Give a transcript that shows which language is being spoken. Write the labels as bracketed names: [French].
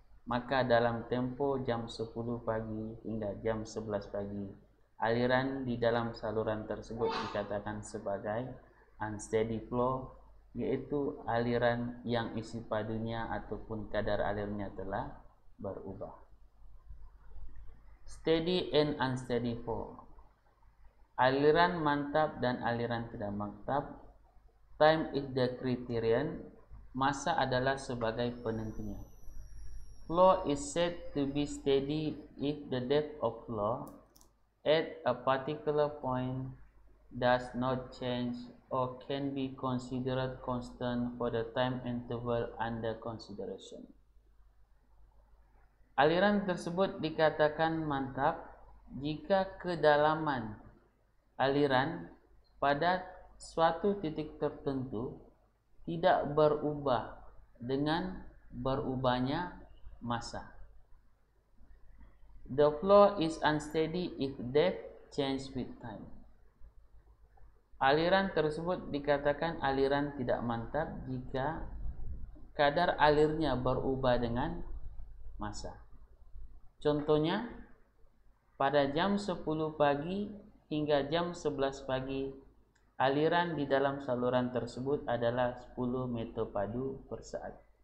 [Malay] Maka dalam tempo jam 10 pagi hingga jam 11 pagi, aliran di dalam saluran tersebut dikatakan sebagai unsteady flow, yaitu aliran yang isi padunya ataupun kadar airnya telah berubah. [English] Steady and unsteady flow. [Malay] Aliran mantap dan aliran tidak mantap. [English] Time is the criterion. [Malay] Masa adalah sebagai penentunya. [English] Flow is said to be steady if the depth of flow at a particular point does not change or can be considered constant for the time interval under consideration. [Malay] Aliran tersebut dikatakan mantap jika kedalaman aliran pada suatu titik tertentu tidak berubah dengan berubahnya masa. [English] The flow is unsteady if depth changes with time. [Malay] Aliran tersebut dikatakan aliran tidak mantap jika kadar airnya berubah dengan masa. Contohnya, pada jam 10 pagi hingga jam 11 pagi, aliran di dalam saluran tersebut adalah 10 meter padu per saat.